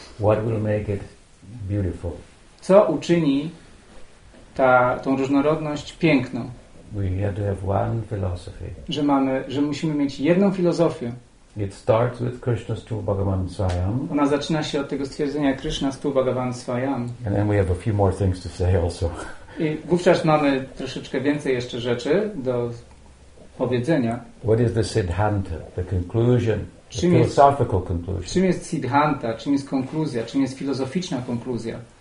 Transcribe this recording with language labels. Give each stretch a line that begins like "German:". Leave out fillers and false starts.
English: What will make it beautiful?
Polish: Co uczyni tą różnorodność piękną?
English: We have to have one philosophy.
Polish: Że musimy mieć jedną filozofię.
English: It starts with Krishna's two Bhagavan Swayam.
Polish: Ona zaczyna się od tego stwierdzenia Krishna's two Bhagavan Swayam.
English: And then we have a few more things to say also.
Polish: I wówczas mamy troszeczkę więcej jeszcze rzeczy do powiedzenia.
English: What is the Siddhanta? The conclusion. The philosophical conclusion.
Polish: Czym jest Siddhanta? Czym jest konkluzja? Czym jest filozoficzna konkluzja?